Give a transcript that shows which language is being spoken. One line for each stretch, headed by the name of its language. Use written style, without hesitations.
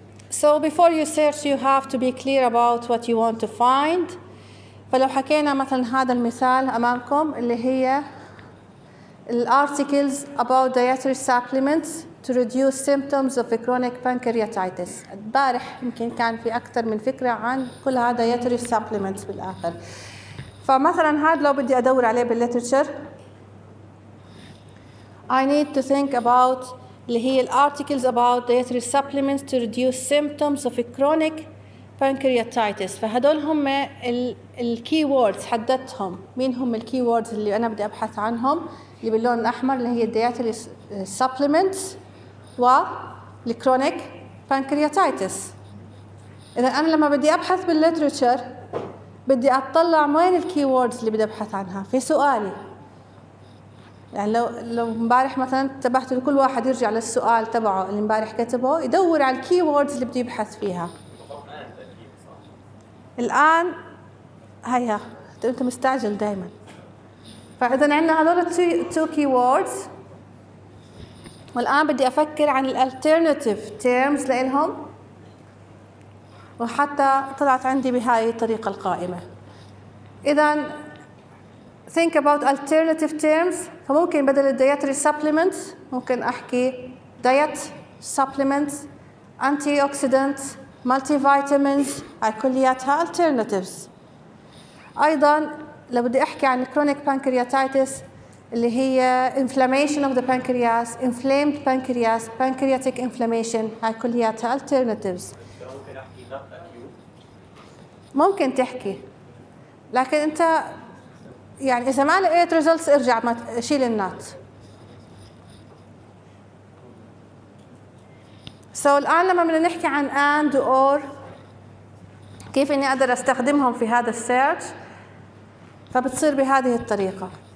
English: So before you search you have to be clear about what you want to find.
Arabic: فلو حكينا مثلا هذا المثال امامكم اللي هي
English: articles about dietary supplements to reduce symptoms of chronic pancreatitis.
Arabic: البارح يمكن كان في أكثر من فكرة عن كل هذا dietary supplements بالآخر. فمثلا هذا لو بدي أدور عليه بالليترشر
English: I need to think about
Arabic: اللي هي الارتيكلز about dietary supplements to reduce symptoms of chronic pancreatitis. فهدول هم الكي ووردز حددتهم مين هم الكي ووردز اللي أنا بدي أبحث عنهم اللي باللون الأحمر اللي هي dietary supplements والكرونيك pancreatitis. إذا أنا لما بدي أبحث بالليترشر بدي أطلع وين الكي ووردز اللي بدي أبحث عنها في سؤالي. يعني لو مبارح مثلا تبحت لكل واحد يرجع للسؤال تبعه اللي مبارح كتبه يدور على الكي ووردز اللي بدي يبحث فيها. الآن هيا أنت مستعجل دائما. فإذا عندنا هذول two key words والآن بدي أفكر عن الالترناتيف terms لإلهم وحتى طلعت عندي بهاي الطريقة القائمة.
English: إذا think about alternative terms
Arabic: فممكن بدل
English: dietary supplements
Arabic: ممكن أحكي
English: diet supplements antioxidants multivitamins
Arabic: هاي كلياتها
English: alternatives.
Arabic: أيضا لو بدي أحكي عن
English: chronic pancreatitis اللي هي inflammation of the pancreas inflamed pancreas pancreatic inflammation
Arabic: هاي كلياتها
English: alternatives.
Arabic: ممكن تحكي لكن أنت يعني إذا ما لقيت results ارجع ما شيل النات. So الآن لما بدنا نحكي عن and or كيف إني أقدر أستخدمهم في هذا السيرج فبتصير بهذه الطريقة.